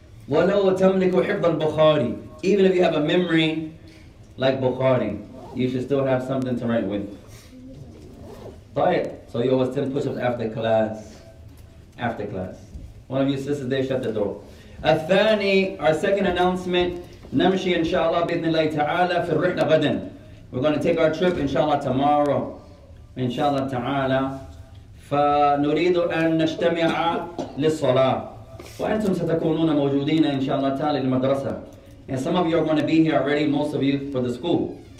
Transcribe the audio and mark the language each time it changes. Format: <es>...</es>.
<ar>ولو تملك حفظ البخاري.</ar> <en>Even if you have a memory like Bukhari, you should still have something to write with.</en> <ar>طيب.</ar> <en>So you always 10 push-ups after class. After class. One of your sisters there, shut the door.</en> <ar>الثاني,</ar> <en>our second announcement.</en> <ar>نمشي إن شاء الله بإذن الله تعالى في الرحلة غدا.</ar> <en>We're going to take our trip, inshallah, tomorrow.</en> <ar>Inshallah ta'ala. فنريد أن نجتمع للصلاة. وأنتم ستكونون موجودين inshallah ta'ala للمدرسة.</ar> <en>And some of you are going to be here already, most of you for the school.</en>